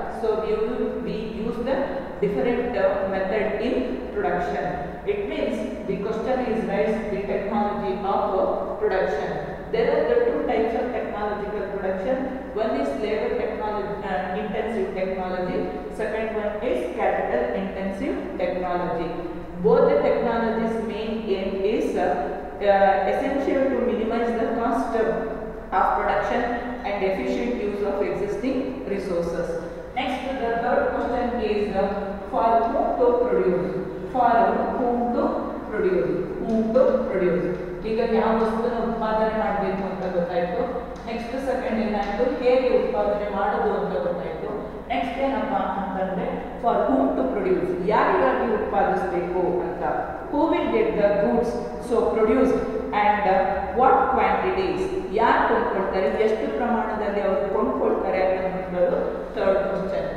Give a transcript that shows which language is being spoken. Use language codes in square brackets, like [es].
[en] So we use the different method in production. It means the question is rise the technology of production. There are the two types of technological production. One is labour technology intensive technology, second one is capital intensive technology. Both the technologies main aim is essential to minimize the cost of production and efficient use of existing resources. Next, the third question is for whom to produce? For whom to produce? Whom to produce? [kn] ಈಗ ಯಾವ ವಸ್ತುನ ಉತ್ಪಾದನೆ ಮಾಡಬೇಕು ಅಂತ ಗೊತ್ತಾಯ್ತು. [en] next second [kn] ಏನಾಯ್ತು, ಹೇಗೆ ಉತ್ಪಾದನೆ ಮಾಡೋದು ಅಂತ ಗೊತ್ತಾಯ್ತು. ನೆಕ್ಸ್ಟ್ ಏನಪ್ಪ ಅಂತಂದ್ರೆ [en] for whom to produce, [kn] ಯಾರಿಗಾಗಿ ಉತ್ಪಾದಿಸಬೇಕು ಅಂತ. [en] who will get the goods so produce and what quantities, [kn] ಯಾರು ಕೊಂಡ್ಕೊಳ್ತಾರೆ, ಎಷ್ಟು ಪ್ರಮಾಣದಲ್ಲಿ ಅವರು ಕೊಂಡ್ಕೊಳ್ತಾರೆ ಅನ್ನೋದು [en] Third question.